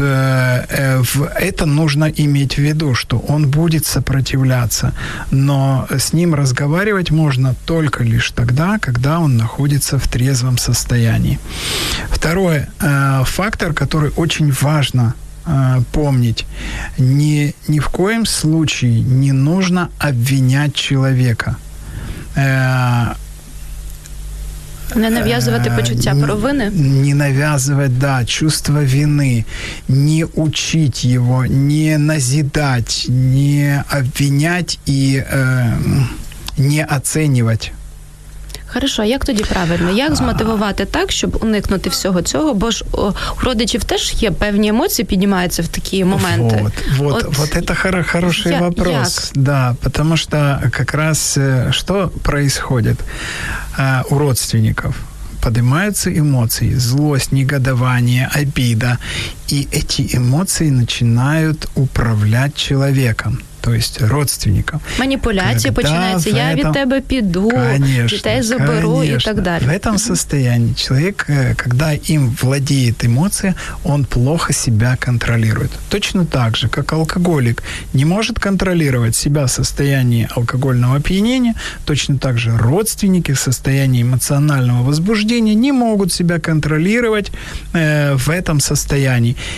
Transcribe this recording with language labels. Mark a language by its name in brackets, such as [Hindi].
[Russian] Это нужно иметь в виду, что он будет сопротивляться, но с ним разговаривать можно только лишь тогда, когда он находится в трезвом состоянии. Второй фактор, который очень важно помнить, ни в коем случае не нужно обвинять человека. [Ukrainian] Не нав'язувати почуття провини? Не нав'язувати, да, [Russian] чувство вини. [Ukrainian] Не учити його, не назидати, не обвиняти і не оцінювати. [Russian] Хорошо, [Ukrainian] а як тоді правильно? Як змотивувати так, щоб уникнути всього цього? Бо ж у родичів теж є певні емоції, піднімаються в такі моменти. [Russian] Вот, вот, вот это хороший вопрос. [Ukrainian] Як? [Russian] Да, потому что как раз что происходит у родственников? Поднимаются эмоции, злость, негодование, обида. И эти эмоции начинают управлять человеком. То есть родственникам. [Ukrainian] Маніпуляція починається, я від тебе піду, дітей заберу і так далі. [Russian] В этом состоянии человек, когда им владеет эмоция, он плохо себя контролирует. Точно так же, как алкоголик не может контролировать себя в состоянии алкогольного опьянения, точно так же родственники в состоянии эмоционального возбуждения не могут себя контролировать в этом состоянии.